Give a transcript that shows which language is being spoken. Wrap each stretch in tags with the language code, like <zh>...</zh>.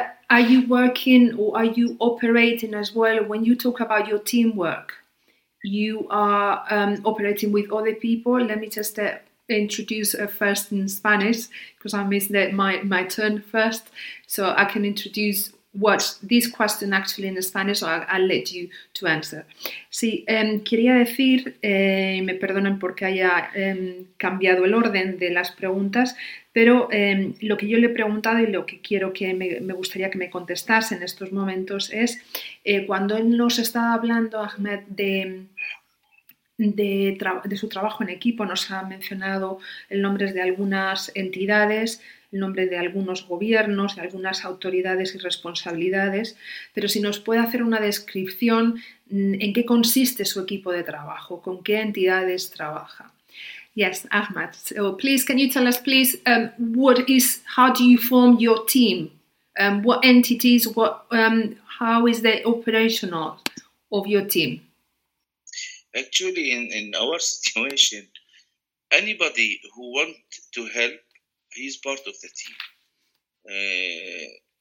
<en>Are you working or are you operating as well? When you talk about your teamwork, you are operating with other people. Let me just introduce first in Spanish, because I missed my turn first. So I can introduce what this question actually in Spanish, or I'll let you to answer.</en> <es>Sí, quería decir, me perdonan porque haya cambiado el orden de las preguntas, pero lo que yo le he preguntado y lo que quiero que me gustaría que me contestase en estos momentos es, cuando él nos estaba hablando, Ahmed, de su trabajo en equipo, nos ha mencionado el nombre de algunas entidades, el nombre de algunos gobiernos, de algunas autoridades y responsabilidades, pero si nos puede hacer una descripción en qué consiste su equipo de trabajo, con qué entidades trabaja.</es> <en>Yes, Ahmad. So please, can you tell us, please, how do you form your team? What entities? How is the operational of your team? Actually, in our situation, anybody who wants to help, he's part of the team.</en>